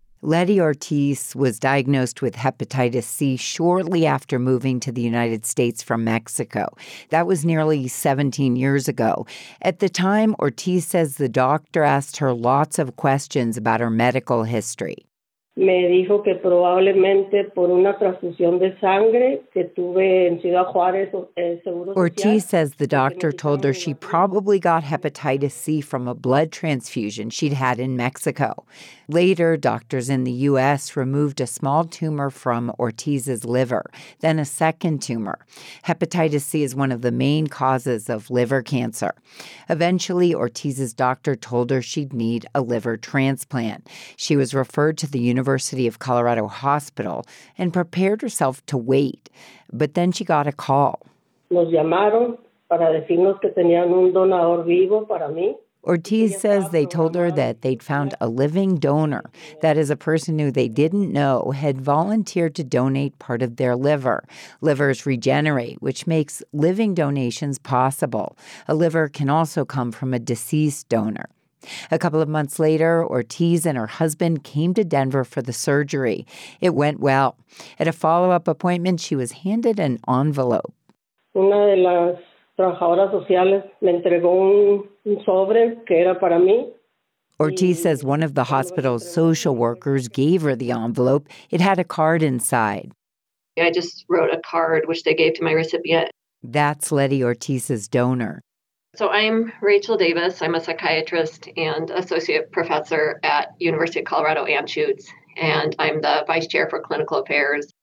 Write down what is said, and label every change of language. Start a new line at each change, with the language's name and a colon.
English: Letty Ortiz was diagnosed with hepatitis C shortly after moving to the United States from Mexico. That was nearly 17 years ago. At the time, Ortiz says the doctor asked her lots of questions about her medical history.
Spanish: Me dijo que probablemente por una transfusión de sangre que tuve en Ciudad Juárez, seguro.
English: Ortiz says the doctor told her she probably got hepatitis C from a blood transfusion she'd had in Mexico. Later, doctors in the U.S. removed a small tumor from Ortiz's liver, then a second tumor. Hepatitis C is one of the main causes of liver cancer. Eventually, Ortiz's doctor told her she'd need a liver transplant. She was referred to the University of Colorado Hospital and prepared herself to wait. But then she got a call.
Spanish: Nos llamaron para decirnos que tenían un donador vivo para mí.
English: Ortiz says they told her that they'd found a living donor, that is a person who they didn't know had volunteered to donate part of their liver. Livers regenerate, which makes living donations possible. A liver can also come from a deceased donor. A couple of months later, Ortiz and her husband came to Denver for the surgery. It went well. At a follow-up appointment, she was handed an envelope.
Spanish: Una de las trabajadoras sociales me entregó un sobre que era para mí.
English: Ortiz says one of the hospital's social workers gave her the envelope. It had a card inside. I just wrote a card, which they gave to my recipient. That's Letty Ortiz's donor. So I'm Rachel Davis. I'm a psychiatrist and associate professor at University of Colorado Anschutz, and I'm the vice chair for clinical affairs.